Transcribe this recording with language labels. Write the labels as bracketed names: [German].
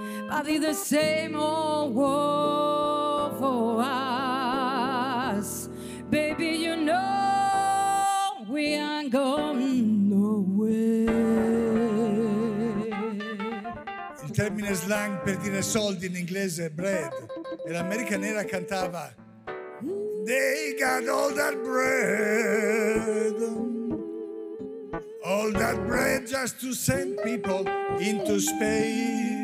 [English] I'll be the same old world for us. Baby, you know we ain't going nowhere. [Italian] Il termine slang per dire soldi in inglese è bread. E l'America nera cantava [English] They got all that bread. All that bread just to send people into space.